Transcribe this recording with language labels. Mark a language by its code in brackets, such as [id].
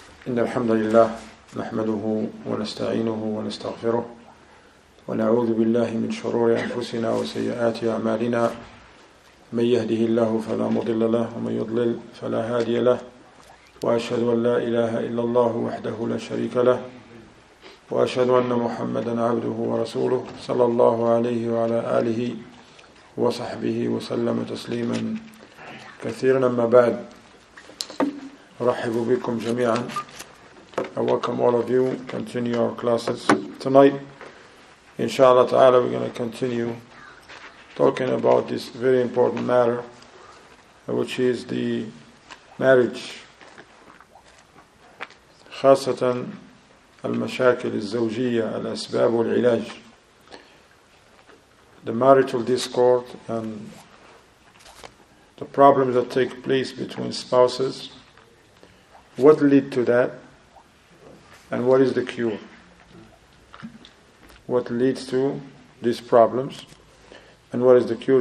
[ar] إن الحمد لله نحمده ونستعينه ونستغفره ونعوذ بالله من شرور أنفسنا وسيئات أعمالنا من يهده الله فلا مضل له ومن يضلل فلا هادي له وأشهد أن لا إله إلا الله وحده لا شريك له وأشهد أن محمدا عبده ورسوله صلى الله عليه وعلى آله وصحبه وسلم تسليما كثيرا أما بعد أرحب بكم جميعا [en] I welcome all of you. Continue our classes tonight. Inshallah ta'ala, we're going to continue talking about this very important matter, which is the marriage. [ar] خاصة المشاكل الزوجية الأسباب والعلاج. [en] The marital discord and the problems that take place between spouses. What led to that? And what is the cure? What leads to these problems? And what is the cure?